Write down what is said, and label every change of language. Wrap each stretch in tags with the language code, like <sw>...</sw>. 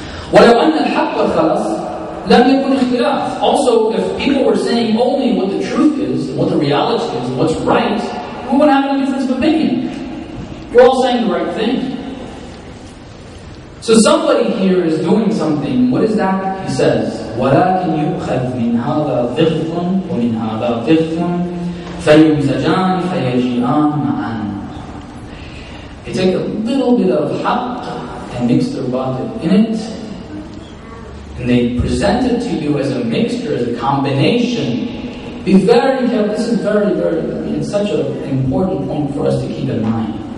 <ar>وَلَوْ أَنَّ الْحَقَّ خَلَصْ لَمْ يَكُنْ اخْتِلَافٌ.</ar> <en>Also, if people were saying only what the truth is, what the reality is, what's right, we wouldn't have any difference of opinion. We're all saying the right thing. So somebody here is doing something. What is that? He says,</en> <ar>وَلَكِنْ يُؤْخَذْ مِنْ هَذَا ضِغْفٌ وَمِنْ هَذَا ضِغْفٌ فَيُمْزَجَانِ فَيَجِئَانِ مَعَانِ.</ar> <en>They take a little bit of haqq and mix their batil in it, and they present it to you as a mixture, as a combination. Be very careful. This is very, very, it's such an important point for us to keep in mind.</en>